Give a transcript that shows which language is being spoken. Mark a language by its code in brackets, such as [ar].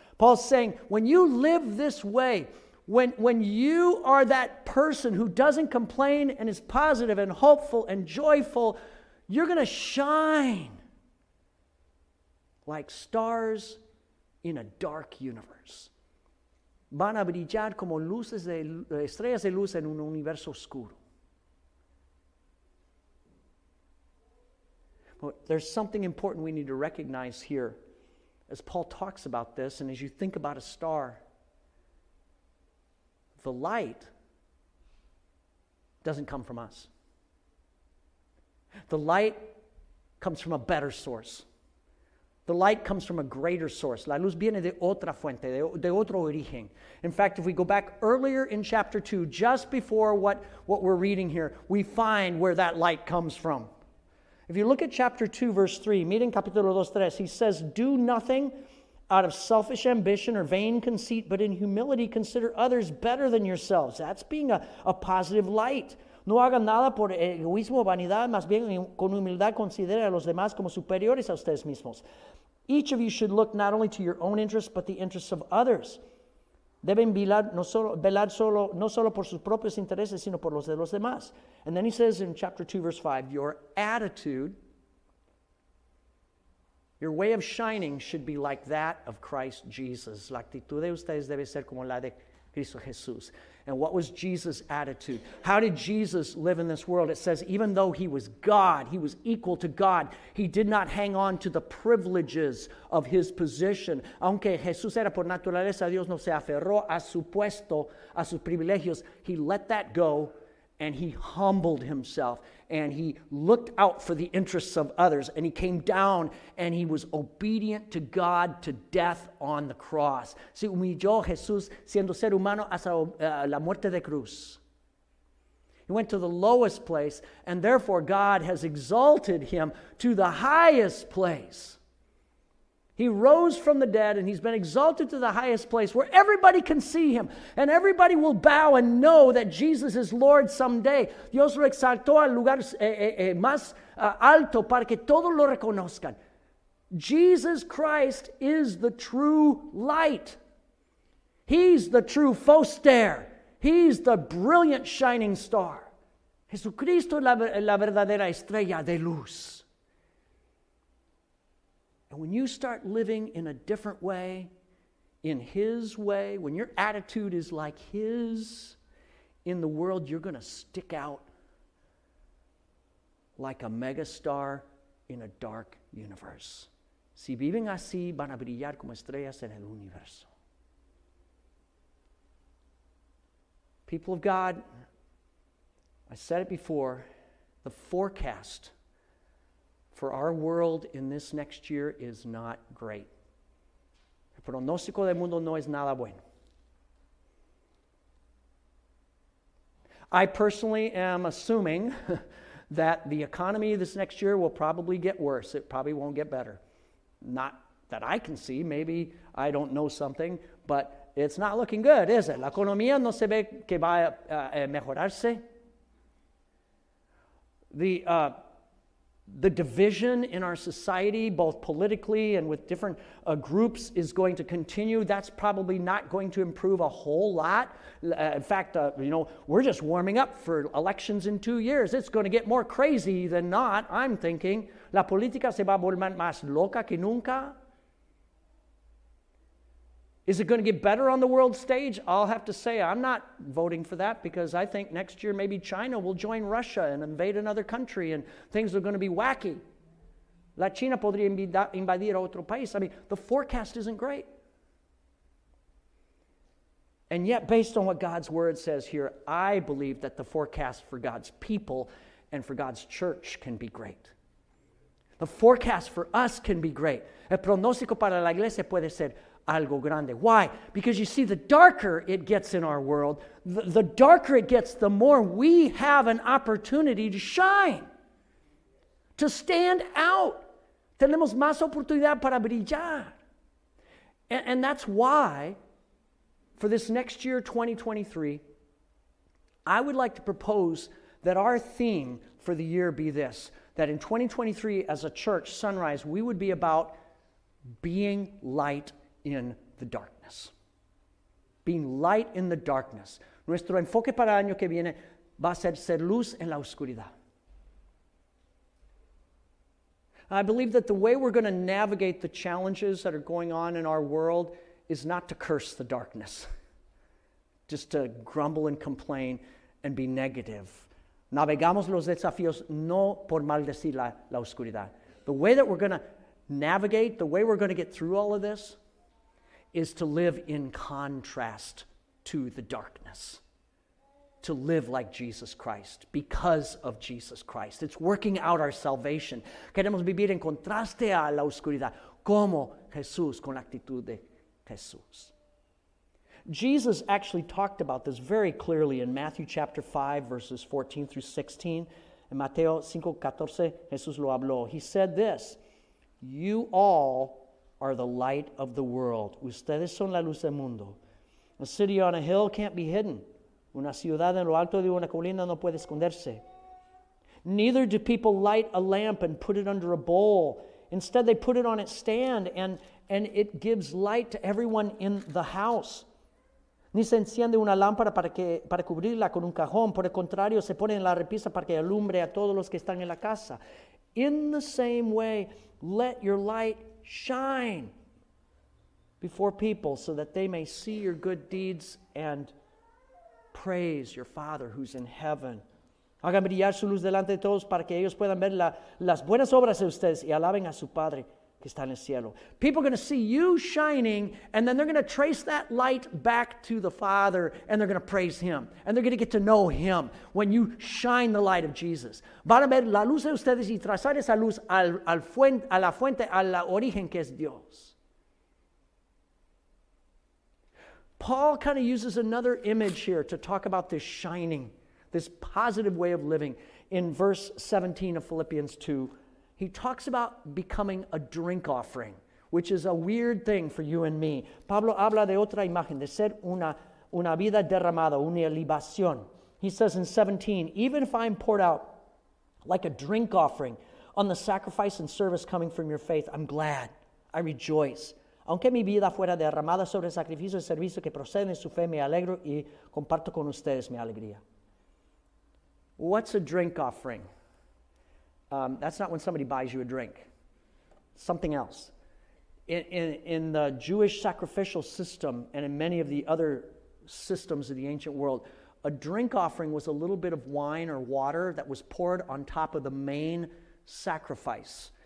[en] Paul's saying, when you live this way, when you are that person who doesn't complain and is positive and hopeful and joyful, you're going to shine like stars in a dark universe. [es] Van a brillar como luces de estrellas de luz en un universo oscuro. [en] But there's something important we need to recognize here as Paul talks about this, and as you think about a star, the light doesn't come from us. The light comes from a better source. The light comes from a greater source. [es] La luz viene de otra fuente, de otro origen. [en] In fact, if we go back earlier in chapter 2, just before what we're reading here, we find where that light comes from. If you look at chapter 2, verse 3, [es] miren capítulo 2, 3, [en] he says, do nothing out of selfish ambition or vain conceit, but in humility consider others better than yourselves. That's being a positive light. [es] No hagan nada por egoísmo o vanidad, más bien con humildad considera a los demás como superiores a ustedes mismos. [en] Each of you should look not only to your own interests, but the interests of others. [es] Deben velar no solo por sus propios intereses, sino por los de los demás. [en] And then he says in chapter 2, verse 5, your attitude, your way of shining should be like that of Christ Jesus. [es] La actitud de ustedes debe ser como la de Cristo Jesús. [en] And what was Jesus' attitude? How did Jesus live in this world? It says even though he was God, he was equal to God, he did not hang on to the privileges of his position. [es] Aunque Jesús era por naturaleza Dios, no se aferró a su puesto, a sus privilegios. [en] He let that go and he humbled himself and he looked out for the interests of others and he came down and he was obedient to God to death on the cross. [es] Se humilló Jesús siendo ser humano hasta la muerte de cruz. [en] He went to the lowest place and therefore God has exalted him to the highest place. He rose from the dead and he's been exalted to the highest place where everybody can see him and everybody will bow and know that Jesus is Lord someday. [es] Dios lo exaltó al lugar más alto para que todos lo reconozcan. [en] Jesus Christ is the true light. He's the true phoster. He's the brilliant shining star. [es] Jesucristo es la verdadera estrella de luz. [en] And when you start living in a different way, in his way, when your attitude is like his in the world, you're going to stick out like a megastar in a dark universe. [es] Si viven así, van a brillar como estrellas en el universo. [en] People of God, I said it before, the forecast for our world in this next year is not great. [es] El pronóstico del mundo no es nada bueno. [en] I personally am assuming that the economy this next year will probably get worse. It probably won't get better. Not that I can see. Maybe I don't know something, but it's not looking good, is it? [es] La economía no se ve que va a mejorarse. [en] The division in our society, both politically and with different groups, is going to continue. That's probably not going to improve a whole lot. In fact, we're just warming up for elections in 2 years. It's going to get more crazy than not, I'm thinking. [es] La política se va a volver más loca que nunca. [en] Is it going to get better on the world stage? I'll have to say I'm not voting for that because I think next year maybe China will join Russia and invade another country and things are going to be wacky. [es] La China podría invadir otro país. [en] I mean, the forecast isn't great. And yet, based on what God's word says here, I believe that the forecast for God's people and for God's church can be great. A forecast for us can be great. [es] El pronóstico para la iglesia puede ser algo grande. [en] Why? Because you see, the darker it gets in our world, the darker it gets, the more we have an opportunity to shine, to stand out. [es] Tenemos más oportunidad para brillar. [en] And that's why, for this next year, 2023, I would like to propose that our theme for the year be this, that in 2023, as a church, Sunrise, we would be about being light in the darkness. Being light in the darkness. [es] Nuestro enfoque para el año que viene va a ser luz en la oscuridad. [en] I believe that the way we're going to navigate the challenges that are going on in our world is not to curse the darkness, just to grumble and complain and be negative. [es] Navegamos los desafíos no por maldecir la oscuridad. [en] The way that we're going to navigate, the way we're going to get through all of this, is to live in contrast to the darkness. To live like Jesus Christ, because of Jesus Christ. It's working out our salvation. [es] Queremos vivir en contraste a la oscuridad, como Jesús, con la actitud de Jesús. [en] Jesus actually talked about this very clearly in Matthew chapter 5, verses 14 through 16. In [es] Mateo 5, 14, Jesús lo habló. [en] He said this, "You all are the light of the world." [es] Ustedes son la luz del mundo. [en] A city on a hill can't be hidden. [es] Una ciudad en lo alto de una colina no puede esconderse. [en] Neither do people light a lamp and put it under a bowl. Instead, they put it on its stand, and it gives light to everyone in the house. [es] Ni se enciende una lámpara para cubrirla con un cajón. Por el contrario, se pone en la repisa para que alumbre a todos los que están en la casa. [en] In the same way, let your light shine before people so that they may see your good deeds and praise your Father who's in heaven. [es] Hagan brillar su luz delante de todos para que ellos puedan ver las buenas obras de ustedes y alaben a su Padre que está en el cielo. [en] People are going to see you shining, and then they're going to trace that light back to the Father, and they're going to praise Him, and they're going to get to know Him when you shine the light of Jesus. [es] Van a ver la luz de ustedes y trazar esa luz a la fuente, a la origen que es Dios. [en] Paul kind of uses another image here to talk about this shining, this positive way of living. In verse 17 of Philippians 2, he talks about becoming a drink offering, which is a weird thing for you and me. [es] Pablo habla de otra imagen, de ser una vida derramada, una libación. [en] He says in 17, "Even if I'm poured out like a drink offering on the sacrifice and service coming from your faith, I'm glad, I rejoice. [es] Aunque mi vida fuera derramada sobre el sacrificio y servicio que procede de su fe, me alegro y comparto con ustedes mi alegría." [en] What's a drink offering? That's not when somebody buys you a drink. Something else. In the Jewish sacrificial system and in many of the other systems of the ancient world, a drink offering was a little bit of wine or water that was poured on top of the main sacrifice.